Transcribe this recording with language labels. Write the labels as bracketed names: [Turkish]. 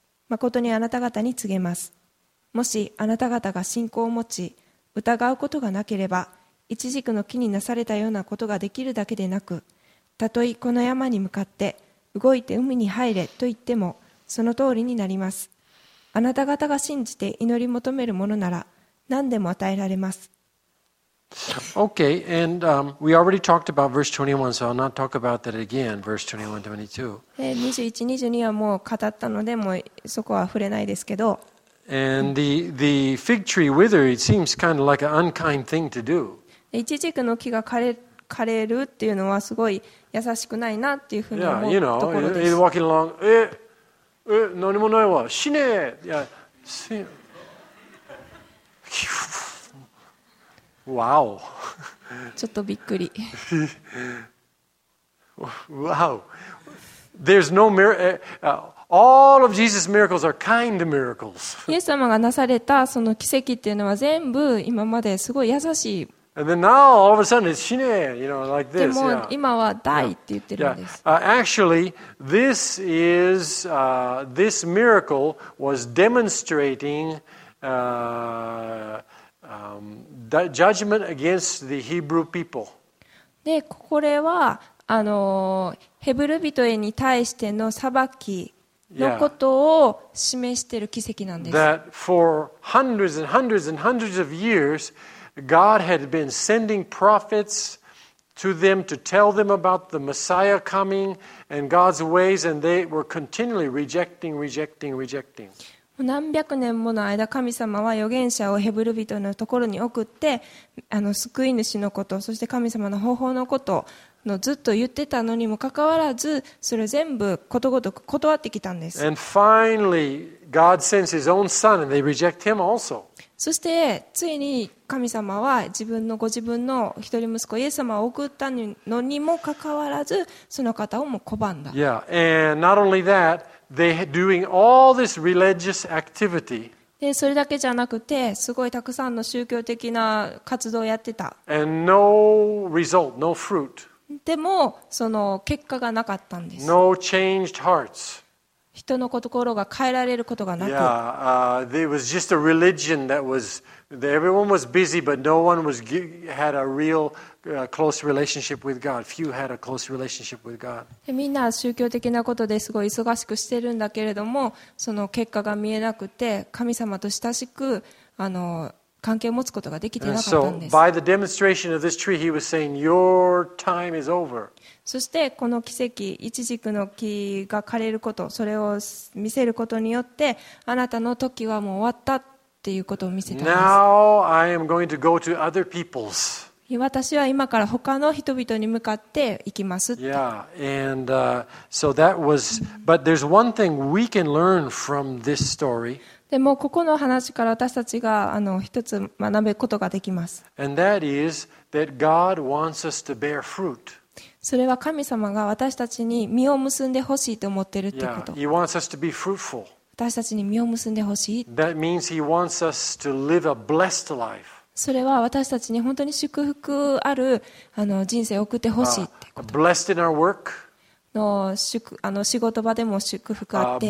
[Japanese] 誠にあなた方に告げます、もしあなた方が信仰を持ち疑うことがなければ、イチジクの木になされたようなことができるだけでなく、たとえこの山に向かって動いて海に入れと言ってもその通りになります。あなた方が信じて祈り求めるものなら何でも与えられます。 [English] OK, and、we already talked about verse 21, so I'll not talk about that again, verse 21-22. [Japanese] 21-22はもう語ったので、もうそこは触れないですけど。 [English] And the fig tree wither, it seems kind of like an unkind thing to do. [Japanese] イチジクの木が枯れるっていうのはすごい優しくないなっていうふうに思うところです。 [English] Yeah, you know, he's walking along, [Japanese] え、何もないわ、死ねえ、いや、死ね、わお、ちょっとびっくり。 [English] Wow. There's no miracle. All of Jesus' miracles are kind miracles. [Japanese] イエス様がなされたその奇跡っていうのは全部今まですごい優しい。 [English] And then now, all of a sudden, it's [Japanese] 死ねえ、 [English] you know, like this. [Japanese] でも今は大って言ってるんです。 [English] Yeah. Yeah. Actually, this is, this miracle was demonstrating, judgment against the Hebrew people. [Japanese] で、これは、ヘブル人に対しての裁きのことを示している奇跡なんです。 [English] That for hundreds and hundreds and hundreds of years,God had been sending prophets to them to tell them about the Messiah coming and God's ways, and they were continually rejecting, rejecting, rejecting. [Japanese] 何百年もの間、神様は預言者をヘブル人のところに送って、救い主のこと、そして神様の方法のことのずっと言ってたのにもかかわらず、それ全部ことごとく断ってきたんです。 [English] And finally, God sends His own Son, and they reject Him also. [Japanese] そしてついに神様は自分のご自分の一人息子イエス様を送ったのにもかかわらず、その方をも拒んだ。 [English] Yeah, and not only that, they doing all this religious activity. [Japanese] で、それだけじゃなくて、すごいたくさんの宗教的な活動をやってた。 [English] And no result, no fruit. [Japanese] でもその結果がなかったんです。 [English] No changed hearts. [Japanese] 人の心が変えられることがなく、 [English] there was just a religion that was that everyone was busy, but no one was had a real close relationship with God. Few had a close relationship with God. [Japanese] みんな宗教的なことですごい忙しくしてるんだけれども、その結果が見えなくて、神様と親しく関係を持つことができてなかったんです。 [English] So by the demonstration of this tree, he was saying, "Your time is over." [Japanese] そしてこの奇跡、イチジクの木が枯れること、それを見せることによって、あなたの時はもう終わったっていうことを見せたんです。 [English] Now I am going to go to other people's. [Japanese] 私は今から他の人々に向かって行きますって。 [English] Yeah, and so that was. But there's one thing we can learn from this story. [Japanese] でもここの話から私たちが一つ学べることができます。 [English] And that is that God wants us to bear fruit. [Japanese] それは神様が私たちに実を結んでほしいと思ってるってこと。 [English] Yeah, he wants us to be fruitful. [Japanese] 私たちに実を結んでほしい。 [English] That means he wants us to live a blessed life. [Japanese] それは私たちに本当に祝福ある人生を送ってほしいってこと。 [English] Blessed in our work. [Japanese] の祝仕事場でも祝福あって。